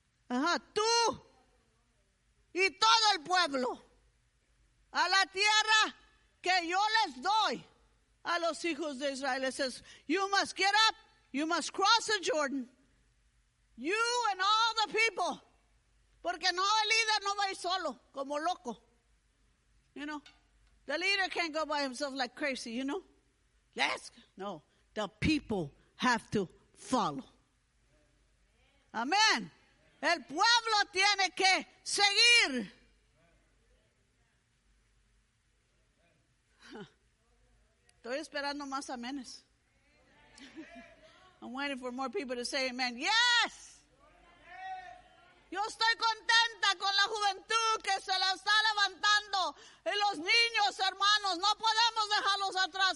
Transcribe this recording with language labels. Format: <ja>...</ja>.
<es>Ajá, tú y todo el pueblo a la tierra que yo les doy a los hijos de Israel.</es> <en>It says, you must get up, you must cross the Jordan, you and all the people,</en> <es>porque no, el líder no va solo, como loco,</es> <en>you know, the leader can't go by himself like crazy, you know, no, the people have to follow. Amen.</en> <es>El pueblo tiene que seguir. Estoy esperando más amenes.</es> <en>I'm waiting for more people to say amen. Yes!</en> <es>Yo estoy contenta con la juventud que se la está levantando. Y los niños, hermanos, no podemos dejarlos atrás.</es>